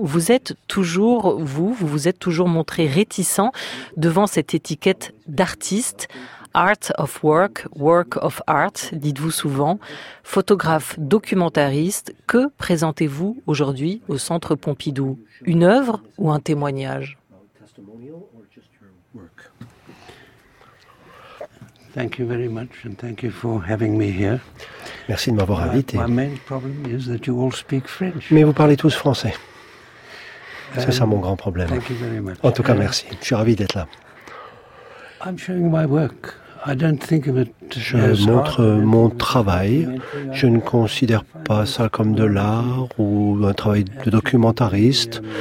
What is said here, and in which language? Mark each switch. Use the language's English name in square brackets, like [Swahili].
[French] Vous êtes toujours, vous êtes toujours montré réticent devant cette étiquette d'artiste, [English] art of work, work of art, [French] dites-vous souvent, photographe documentariste, que présentez-vous aujourd'hui au Centre Pompidou ? Une œuvre ou un témoignage ? [English] Thank you very much and thank you for having me here. [French] Merci de m'avoir invité. [English] My main problem is that you all speak French. [French] Mais vous parlez tous français. C'est ça mon grand problème. [English] Thank you very much. [French] En tout cas, merci. Je suis ravi d'être là. [English] I'm showing my work. I don't think of it as [French] je montre mon travail. Je ne considère pas ça comme de l'art ou un travail de documentariste.